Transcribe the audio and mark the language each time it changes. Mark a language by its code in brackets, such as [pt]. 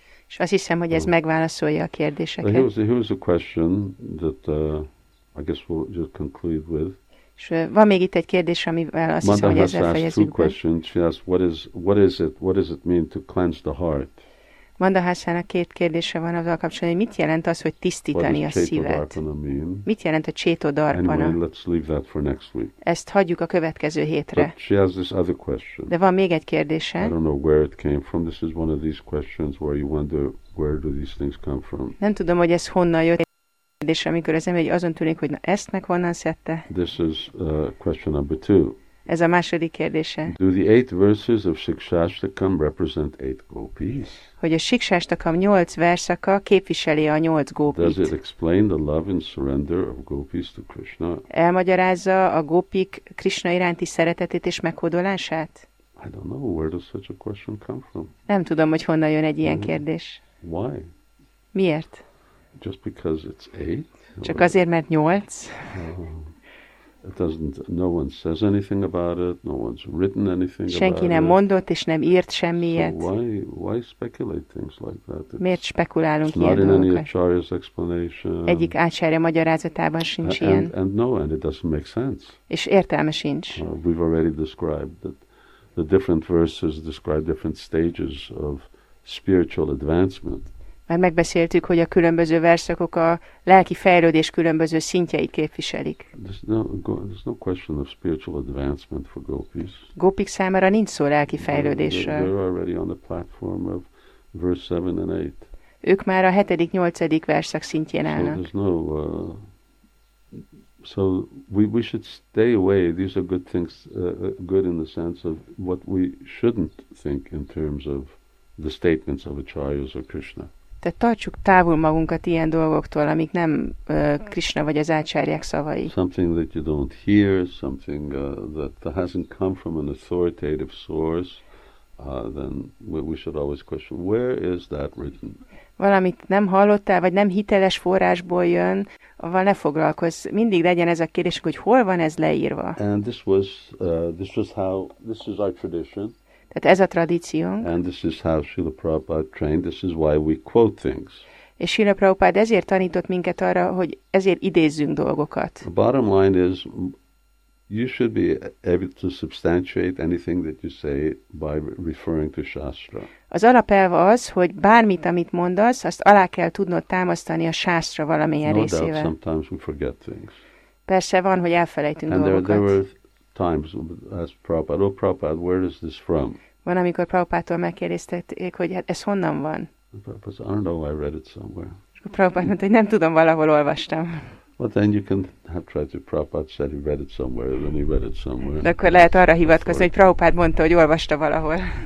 [hu] És azt hiszem, hogy ez megválaszolja a kérdéseket. [en] Here was a question that I guess we'll just conclude with. [hu] És van még itt egy kérdés, amivel azt hiszem, hogy ezzel fejezzük be. [en] What is it mean to cleanse the heart? [hu] Mandahasának két kérdése van azzal kapcsolatban, hogy mit jelent az, hogy tisztítani a szívet? Mit jelent a [en] Chetodarpana? Anyway, let's leave that for next week. [hu] Ezt hagyjuk a következő hétre. [en] But she has this other question. [hu] De van még egy kérdése. [en] I don't know where it came from. This is one of these questions where you wonder where do these things come from. [hu] Nem tudom, hogy ez honnan jött. És amikor az ember azon tűnik, hogy na, ezt meg honnan szedte? [en] This is question number two. [hu] Ez a második kérdése. [en] Do the eight verses of Sikshashtakam represent eight gopis? [hu] Hogy a Sikshashtakam nyolc versszaka képviseli a nyolc gópit. [en] Does it explain the love and surrender of gopis to Krishna? [hu] Elmagyarázza a gópik Krishna iránti szeretetét és meghódolását? [en] I don't know, where does such a question come from? [hu] Nem tudom, hogy honnan jön egy ilyen kérdés. [en] Why? [hu] Miért? [en] Just because it's eight. [hu] Csak azért, mert nyolc. [en] No one says anything about it. No one's written anything about it. [hu] Senki nem mondott és nem írt semmiet. [en] So why speculate things like that? [hu] Miért spekulálunk ilyen dolgokat? [en] It's not in any Acharya's explanation. [hu] Egyik Acharya magyarázatában sincs ilyen. [en] And it doesn't make sense. [hu] És értelme sincs. [en] We've already described that the different verses describe different stages of spiritual advancement. [hu] Már megbeszéltük, hogy a különböző versszakok a lelki fejlődés különböző szintjeit képviselik. [en] There's no question of spiritual advancement for gopis. [hu] Gopik számára nincs szó lelki fejlődésről. [en] They're already on the platform of verse 7 and 8. [hu] Ők már a 7.-8. versszak szintjén állnak. [en] So there's no, so we should stay away. These are good things, good in the sense of what we shouldn't think in terms of the statements of acharyas or Krishna. [hu] Tehát tartsuk távol magunkat ilyen dolgoktól, amik nem Krishna vagy az ácsárják szavai. [en] Something that you don't hear, something that hasn't come from an authoritative source, then we should always question, where is that written? [hu] Valamit nem hallottál, vagy nem hiteles forrásból jön, avval ne foglalkozz. Mindig legyen ez a kérdés, hogy hol van ez leírva. [en] And this is our tradition. [hu] Tehát ez a tradíciónk. [en] And this is how Srila Prabhupada trained. This is why we quote things. [hu] És Srila Prabhupada ezért tanított minket arra, hogy ezért idézzünk dolgokat. [en] The bottom line is, you should be able to substantiate anything that you say by referring to Shastra. [hu] Az alapelv az, hogy bármit, amit mondasz, azt alá kell tudnod támasztani a Shastra valamilyen no részével. [en] No doubt, sometimes we forget things. [hu] Persze van, hogy elfelejtünk and dolgokat. [en] Times as Prabhupada. Oh, Prabhupada, where is this from? [hu] Van, amikor Prabhupától megkérdezték, hogy hát ez honnan van? [en] Prabhupada said, I don't know, I read it somewhere. [hu] Prabhupada mondta, hogy nem tudom, valahol olvastam. [en] But then you can have tried to, Prabhupada said he read it somewhere, then he read it somewhere. [hu] De akkor lehet arra hivatkozni, hogy Prabhupada mondta, hogy olvasta valahol.